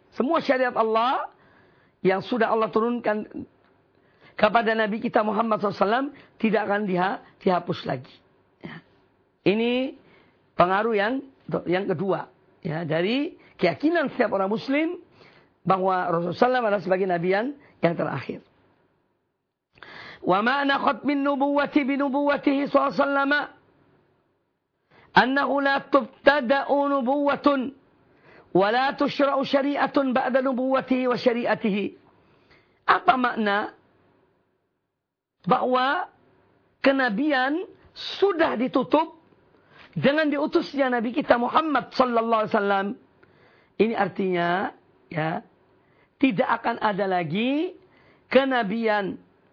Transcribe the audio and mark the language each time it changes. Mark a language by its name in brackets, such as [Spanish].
[Indonesian] Semua syariat Allah yang sudah Allah turunkan kepada Nabi kita Muhammad SAW tidak akan dihapus lagi. Ya. Ini pengaruh yang kedua. Ya. Dari keyakinan setiap orang Muslim bahwa Rasulullah SAW adalah sebagai Nabi yang terakhir. [Arabic] ومعنى ختم النبوة بنبوته صلى الله عليه وسلم أنه لا تبتدأ نبوة ولا تشرع شريعة بعد نبوته وشريعته. [Indonesian] Apa makna bahwa kenabian sudah ditutup dengan diutusnya Nabi kita Muhammad sallallahu alaihi wasallam? Ini artinya ya, tidak akan ada lagi kenabian.